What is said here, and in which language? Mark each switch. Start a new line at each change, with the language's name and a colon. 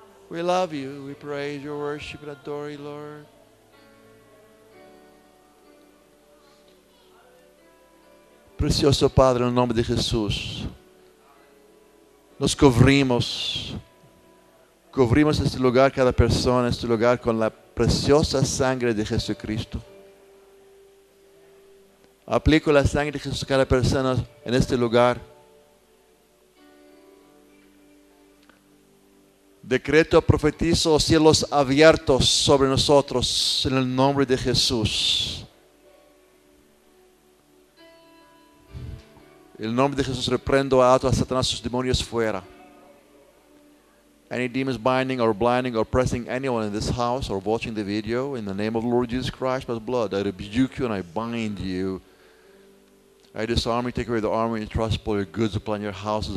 English: We love you, we praise your worship and adore you, Lord.
Spanish: Precioso Padre, en el nombre de Jesús, nos cubrimos, cubrimos este lugar, cada persona, este lugar con la preciosa sangre de Jesucristo. Aplico la sangre de Jesús a cada persona en este lugar. Decreto, profetizo, cielos abiertos sobre nosotros en el nombre de Jesús. En el nombre de Jesús reprendo a todos, a Satanás, sus demonios fuera.
English: Any demons binding or blinding or pressing anyone in this house or watching the video, in the name of the Lord Jesus Christ, by the blood, I rebuke you and I bind you. I disarm you, take away the armor, and trust all your goods upon your houses.